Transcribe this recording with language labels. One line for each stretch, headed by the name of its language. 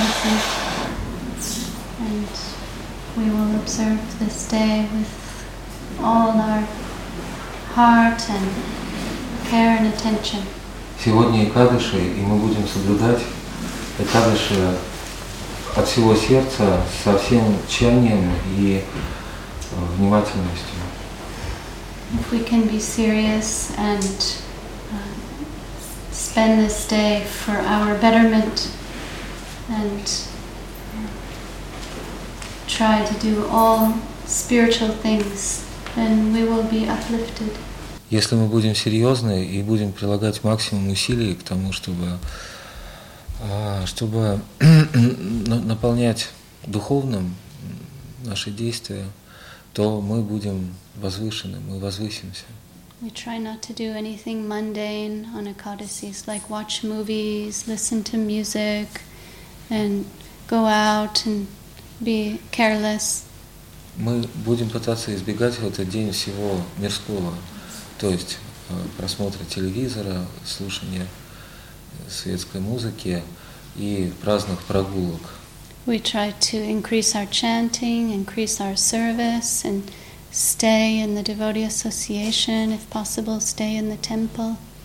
English: And we will observe this day with all our heart and care and attention.
Russian: Сегодня Экадыши, и мы будем соблюдать Экадыши от всего сердца, со всем тщанием и внимательностью.
English: If we can be serious and spend this day for our betterment and try to do all spiritual things, then we will be uplifted.
Russian: Если мы будем серьезны и будем прилагать максимум усилий к тому, чтобы наполнять духовным наши действия, то мы будем возвышены, мы возвысимся.
English: We try not to do anything mundane on Ekadasis, like watch movies, listen to music, and go out and be careless.
Russian: Мы будем пытаться избегать в этот день всего мирского, то есть просмотра телевизора, слушания светской музыки и праздных прогулок.
English: We try to increase our chanting, increase our service, and stay in the devotee association, if possible, stay in the temple.